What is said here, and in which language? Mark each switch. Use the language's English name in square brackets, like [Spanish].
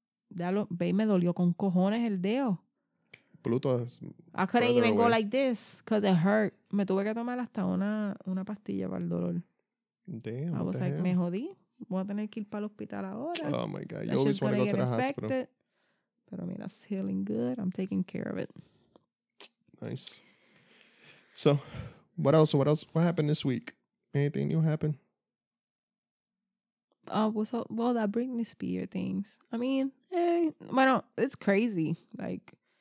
[Spanish] Me dolió con cojones el dedo. [English] Pluto is I couldn't even go like this because it hurt. [Spanish] Me tuve que tomar hasta una pastilla para el dolor. [English] Damn. I was like, hell? [Spanish] Me jodí. Voy a tener que ir para el hospital ahora. [English] Oh my God. You always want to go to the hospital. [Spanish] Pero mira, [English] it's healing good. I'm taking care of it. Nice. So, what else? What else? What happened this week? Anything new happen? That Britney Spears things. I mean, it's crazy. Like,